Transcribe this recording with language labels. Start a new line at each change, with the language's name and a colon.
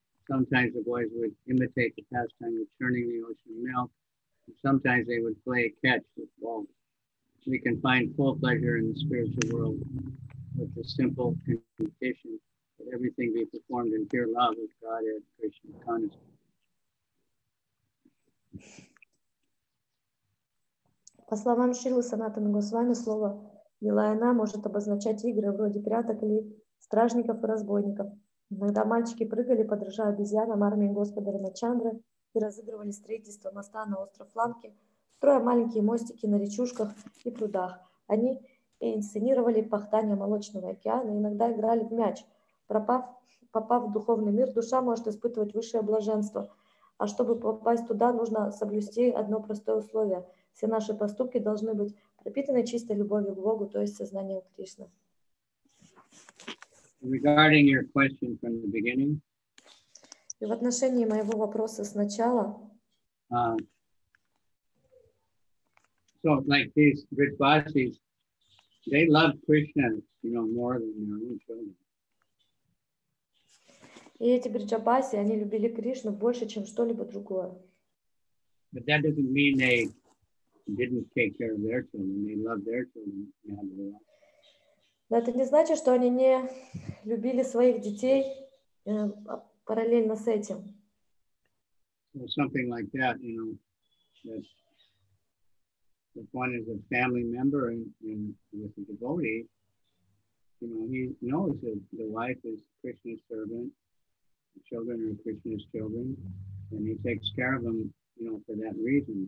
English: Sometimes the boys would imitate the pastime of churning the ocean milk, and sometimes they would play catch with balls. We can find full pleasure in the spiritual world with the simple condition that everything be performed in pure love with God and Krishna consciousness.
Russian: По словам Шрилы Санатана Госвами, слово «Нилайана» может обозначать игры вроде пряток или стражников и разбойников. Иногда мальчики прыгали, подражая обезьянам армии Господа Рамачандры и разыгрывали строительство моста на остров Ланки, строя маленькие мостики на речушках и прудах. Они инсценировали пахтание молочного океана, иногда играли в мяч. Попав в духовный мир, душа может испытывать высшее блаженство. А чтобы попасть туда, нужно соблюсти одно простое условие. Все наши поступки должны быть пропитаны чистой любовью к Богу, то есть сознанием Кришны.
English: Regarding your question from the beginning.
Russian: И в отношении моего вопроса сначала.
English: So like these Vrijvasis, they love Krishna, you know, more than their own children.
Russian: И эти бриджабаси, они любили Кришну больше, чем что-либо другое.
English: But that doesn't mean they didn't take care of their children. They loved their children.
Russian: Но это не значит, что они не любили своих детей параллельно с этим.
English: So something like that, you know, that if one is a family member and with a devotee, you know, he knows that the wife is Krishna's servant, the children are Krishna's children, and he takes care of them, you know, for that reason.